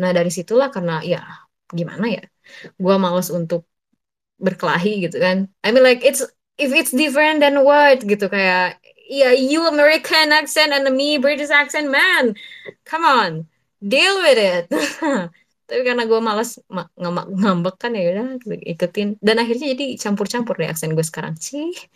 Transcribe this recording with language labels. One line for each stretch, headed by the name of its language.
Indonesian: Nah, dari situlah karena, ya, gimana ya? Gue males untuk berkelahi gitu kan.
English: I mean like it's if it's different than what
Indonesian: gitu kayak ya
English: yeah, you American accent and me British accent man. Come on. Deal with it.
Indonesian: Tapi karena gue malas ngambek kan ya udah ikutin dan akhirnya jadi campur-campur deh aksen gue sekarang sih.